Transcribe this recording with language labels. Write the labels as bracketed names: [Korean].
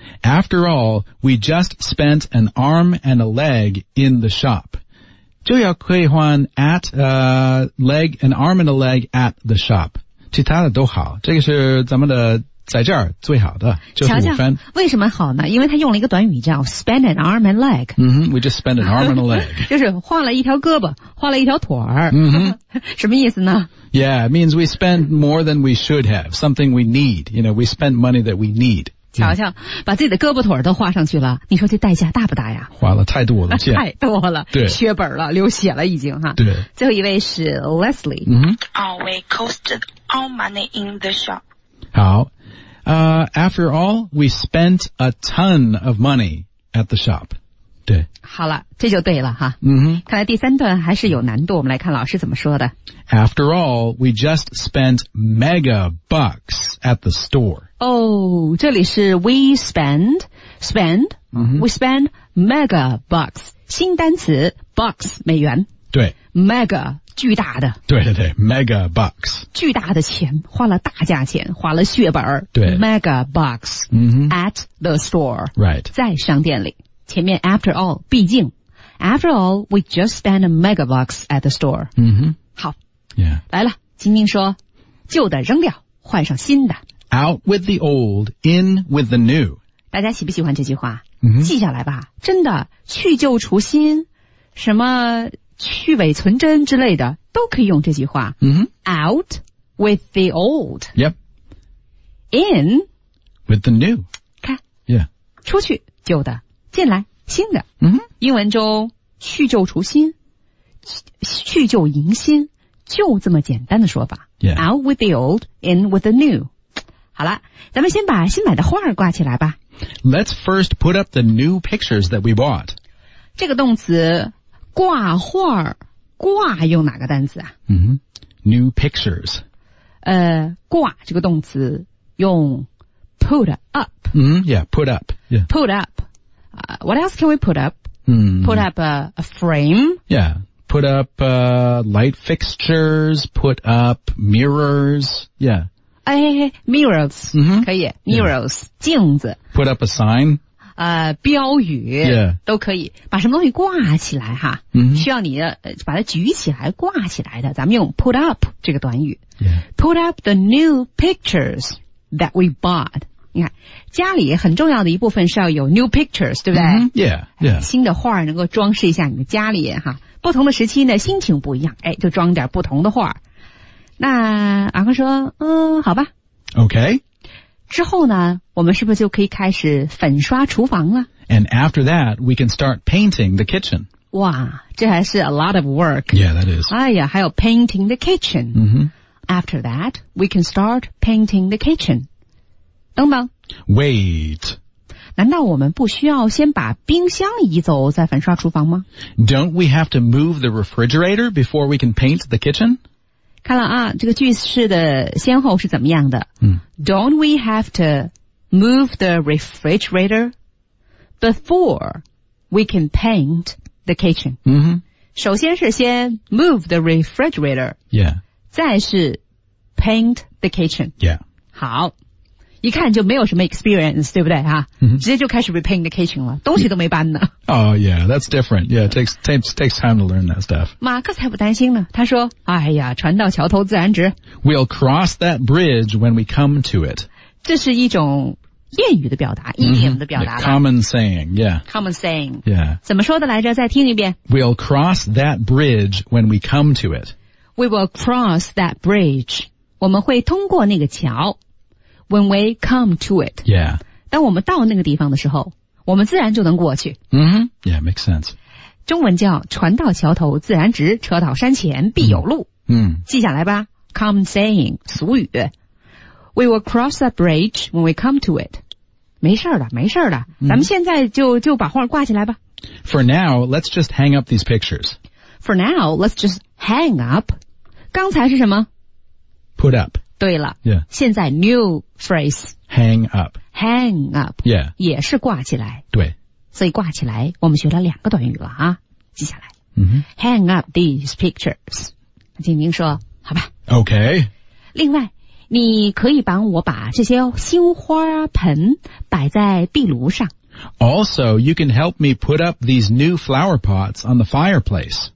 [English] After all, we just spent an arm and a leg in the shop， [Chinese] 就要可以换 [English] at leg an arm and a leg at the shop， [Chinese] 其他的都好，这个是咱们的。在这儿最好的就是五分。为什么好呢？因为他用了一个短语叫 [English] spend an arm and leg。嗯哼， we just spend an arm and a leg。 [Chinese] 就是换了一条胳膊，换了一条腿儿。嗯哼，什么意思呢？ [English] Yeah, it means we spend more than we should have, something we need. You know, we spend money that we need. [Chinese] 瞧瞧，把自己的胳膊腿儿都画上去了，你说这代价大不大呀？花了太多了，太多了，对，血本了，流血了已经哈。对，最后一位是 Leslie。嗯 [English] 哼 ，We costed all money in the shop。好。After all, we spent a ton of money at the shop. 对， [Chinese] 好了，这就对了哈。嗯哼，看来第三段还是有难度。我们来看老师怎么说的。 [English] After all, we just spent mega bucks at the store. [Chinese] 哦，这里是 [English] we spend、 mm-hmm. we spend mega bucks， [Chinese] 新单词 bucks 美元。对，mega。 巨大的， [English] 对对对 ，mega bucks， [Chinese] 巨大的钱，花了大价钱，花了血本儿，对 [English] ，mega bucks、 mm-hmm. at the store， right， [Chinese] 在商店里。前面 after all， 毕竟 ， [English] after all， we just spend a mega bucks at the store， [Chinese] 嗯、mm-hmm. 好， [English] yeah， [Chinese] 来了，晶晶说，旧的扔掉，换上新的 [English] ，out with the old， in with the new， [Chinese] 大家喜不喜欢这句话？ [English] Mm-hmm. [Chinese] 记下来吧，真的，去旧除新，什么？去伪存真之类的都可以用这句话。 [English] Mm-hmm. Out with the old. Yep. In with the new. [Chinese] 看。 [English] Yeah. [Chinese] 出去旧的进来新的。 [English] Mm-hmm. [Chinese] 英文中去旧除新 去旧迎新就这么简单的说法。 [English] Yeah. Out with the old, in with the new. [Chinese] 好了咱们先把新买的画挂起来吧。 [English] Let's first put up the new pictures that we bought. [Chinese] 这个动词挂画挂用哪个单词啊、 [English] mm-hmm. New pictures [Chinese] 挂这个动词用 put up、 [English] mm-hmm. Yeah, put up、yeah. Put up、What else can we put up?、 Mm-hmm. Put up a frame? Yeah, put up light fixtures, put up mirrors, yeah、 Mirrors,、 mm-hmm. [Chinese] 可以 Mirrors,、yeah. 镜子 [English] Put up a sign? [Chinese] 标语、 [English] yeah. [Chinese] 都可以把什么东西挂起来哈、 [English] mm-hmm. [Chinese] 需要你、把它举起来挂起来的咱们用 put up 这个短语、 [English] yeah. put up the new pictures that we bought [Chinese] 你看家里很重要的一部分是要有 new pictures 对不对、 [English] mm-hmm. yeah. Yeah. [Chinese] 新的画能够装饰一下你的家里哈不同的时期呢心情不一样哎，就装点不同的画那阿康说好吧 [English] OK [Chinese] 之后呢我们是不是就可以开始粉刷厨房了 [English] And after that, we can start painting the kitchen. [Chinese] 哇这还是 [English] a lot of work. Yeah, that is. [Chinese] 哎呀还有 [English] painting the kitchen.、 Mm-hmm. After that, we can start painting the kitchen. [Chinese] 等等。 [English] Wait. [Chinese] 难道我们不需要先把冰箱移走再粉刷厨房吗 [English] Don't we have to move the refrigerator before we can paint the kitchen? [Chinese] 看了啊这个句式的先后是怎么样的、嗯、 [English] Don't we have to move the refrigerator before we can paint the kitchen、 [Chinese] 嗯、哼首先是先 [English] move the refrigerator、 yeah. [Chinese] 再是 [English] paint the kitchen、 yeah. [Chinese] 好一看就没有什么 experience 对不对、啊嗯、直接就开始 [English] repaint the kitchen [Chinese] 了东西都没搬呢 [English] Oh yeah, that's different Yeah, it takes time to learn that stuff [Chinese] 马克才不担心呢他说哎呀船到桥头自然直 [English] We'll cross that bridge when we come to it [Chinese] 这是一种谚语的表达谚语的表达、 [English] mm-hmm. Common saying Yeah Common saying Yeah [Chinese] 怎么说的来着再听一遍 [English] We'll cross that bridge when we come to it We will cross that bridge [Chinese] 我们会通过那个桥 [English] When we come to it. Yeah. [Chinese] 当我们到那个地方的时候我们自然就能过去。 [English] Mm-hmm. Yeah, makes sense. [Chinese] 中文叫船到桥头自然直车到山前必有路。 [English] Mm-hmm. [Chinese] 记下来吧 [English] ,common saying, 俗语。We will cross that bridge when we come to it. [Chinese] 没事的，没事的。Mm-hmm. 咱们现在就把画挂起来吧。 [English] For now, let's just hang up these pictures. For now, let's just hang up. [Chinese] 刚才是什么 [English] ？Put up. [Chinese] 对了。 [English] Yeah. [Chinese] 现在 new phrase. [English] Hang up. Hang up. Yeah. [Chinese] 也是挂起来。对。所以挂起来，我们学了两个短语了啊，记下来。 [English] Mm-hmm. Hang up these pictures. [Chinese] 静宁说，好吧。 [English] Okay. [Chinese] 另外，你可以帮我把这些新花盆摆在壁炉上。 [English] Also, you can help me put up these new flower pots on the fireplace.